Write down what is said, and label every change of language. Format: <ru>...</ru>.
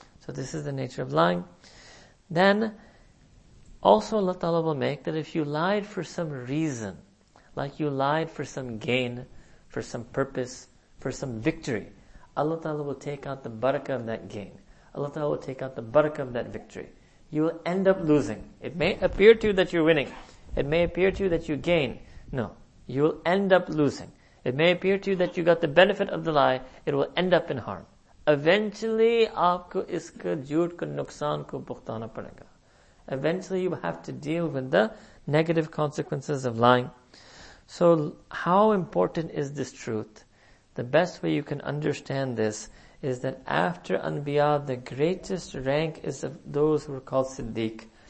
<en>So this is the nature of lying. Then, also Allah Ta'ala will make that if you lied for some reason, like you lied for some gain, for some purpose, for some victory, Allah Ta'ala will take out the barakah of that gain. Allah Ta'ala will take out the barakah of that victory. You will end up losing. It may appear to you that you're winning. It may appear to you that you gain. No, you will end up losing. It may appear to you that you got the benefit of the lie. It will end up in harm. Eventually,</en> <hi>आपको इसके झूठ के नुकसान को भुगताना पड़ेगा.</hi> <en>Eventually, you have to deal with the negative consequences of lying. So, how important is this truth? The best way you can understand this is that after Anbiya, the greatest rank is of those who are called Siddiq.</en>